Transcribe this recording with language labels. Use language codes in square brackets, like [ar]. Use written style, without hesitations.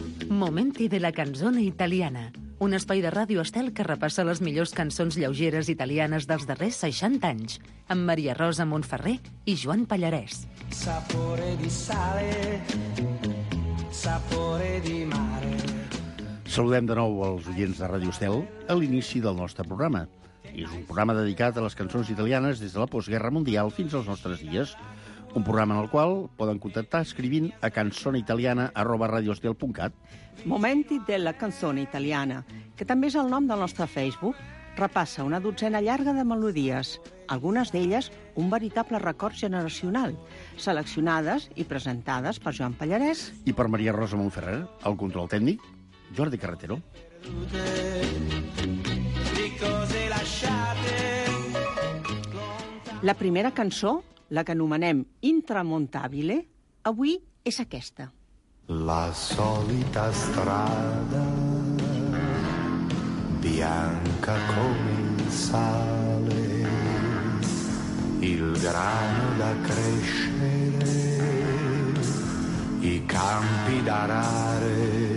[it] Momenti della canzone italiana. [ca] Un espai de Ràdio Estel que repassa les millors cançons lleugeres italianes dels darrers 60 anys, amb Maria Rosa Montferrer i Joan Pallarès. [it] Sapore di sale, sapore di mare. [ca] Saludem de nou els oients de Ràdio Estel a l'inici del nostre programa. És un programa dedicat a les cançons italianes des de la postguerra mundial fins als nostres dies. Un programa en el qual poden contactar escrivint a canzoneitaliana@radioestel.cat. Momenti della canzone italiana, que també és el nom del nostre Facebook, repassa una dotzena llarga de melodies, algunes d'elles un veritable record generacional, seleccionades i presentades per Joan Pallarès i per Maria Rosa Montferrer, el control tècnic Jordi Carretero. La primera cançó, la que anomenem Intramontabile, avui és aquesta. [it] La solita strada bianca come il sale, il grano da crescere, i campi da arare,